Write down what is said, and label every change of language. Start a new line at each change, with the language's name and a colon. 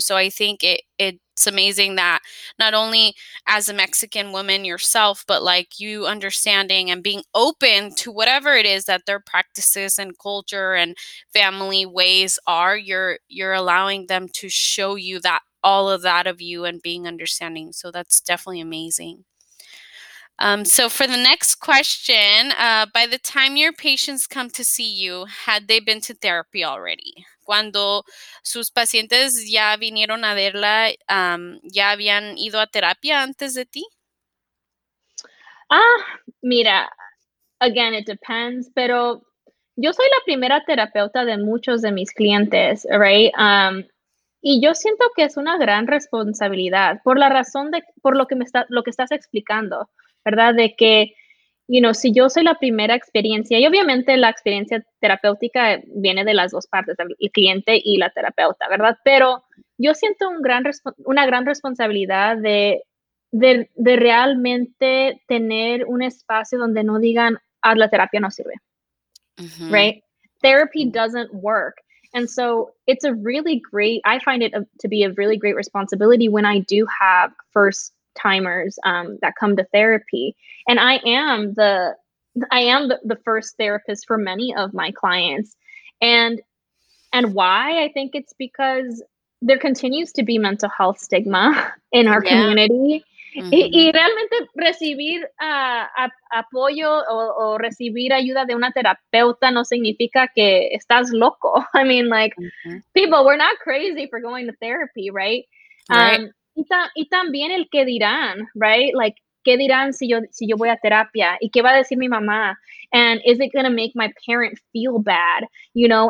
English: So I think it's amazing that not only as a Mexican woman yourself, but like you understanding and being open to whatever it is that their practices and culture and family ways are, you're allowing them to show you that all of that of you and being understanding. So that's definitely amazing. So for the next question, by the time your patients come to see you, had they been to therapy already?
Spanish: Cuando sus pacientes ya vinieron a verla, ¿ya habían ido a terapia antes de ti? Ah, mira,
English: again, it depends,
Spanish: pero yo soy la primera terapeuta de muchos de mis clientes,
English: right?
Spanish: Y yo siento que es una gran responsabilidad por la razón de, por lo que me está, lo que estás explicando, ¿verdad? De que,
English: you know,
Spanish: si yo soy la primera experiencia, y obviamente la experiencia terapéutica viene de las dos partes, el cliente y la terapeuta, ¿verdad? Pero yo siento un gran responsabilidad de realmente tener un espacio donde no digan, la terapia no sirve, mm-hmm.
English: right? Therapy doesn't work. And so it's a really great, I find it to be a really great responsibility when I do have first timers that come to therapy. And I am the first therapist for many of my clients. And why? I think it's because there continues to be mental health stigma in our yeah. community. Mm-hmm.
Spanish: Y realmente recibir apoyo o recibir ayuda de una terapeuta no significa que estás loco.
English: I mean, like, mm-hmm. people, we're not crazy for going to therapy, right?
Spanish: Y también el qué dirán,
English: right? Like,
Spanish: qué dirán si yo voy a terapia? Y qué va a decir mi mamá?
English: And is it going to make my parent feel bad, you know?